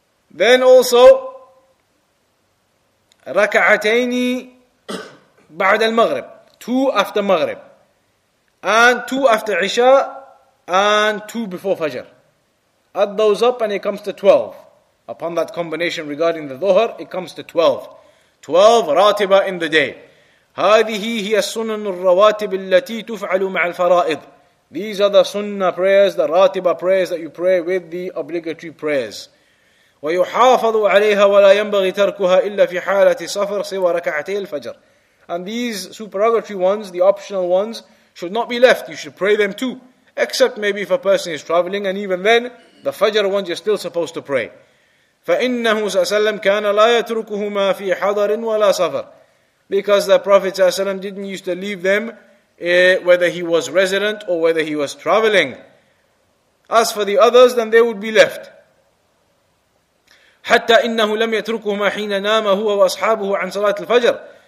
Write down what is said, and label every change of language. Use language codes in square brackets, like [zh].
[en] Then also, [ar] raka'ataini ba'd al-maghrib, [en] two after Maghrib, and two after Isha, and two before Fajr. Add those up and it comes to 12. Upon that combination regarding the Dhuhr, it comes to 12. 12 ratiba in the day. [ar] هذه هي السنن الرواتب التي تفعل مع الفرائض. [en] These are the sunnah prayers, the ratiba prayers that you pray with the obligatory prayers. [ar] ويحافظ عليها ولا ينبغي تركها إلا في حالة سفر سوى ركعتي الفجر. [en] And these supererogatory ones, the optional ones, should not be left. You should pray them too. Except maybe if a person is traveling, and even then, the fajr ones you're still supposed to pray. [ar] فإنه صلى الله عليه وسلم كان لا يتركهما في حضر ولا سفر. [en] Because the Prophet ﷺ didn't used to leave them whether he was resident or whether he was traveling. As for the others, then they would be left. [ar] حَتَّى إِنَّهُ لَمْ يَتْرُكُهُمَا حِينَ نَامَ هُوَ وَأَصْحَابُهُ عَنْ صَلَاةِ الْفَجْرِ.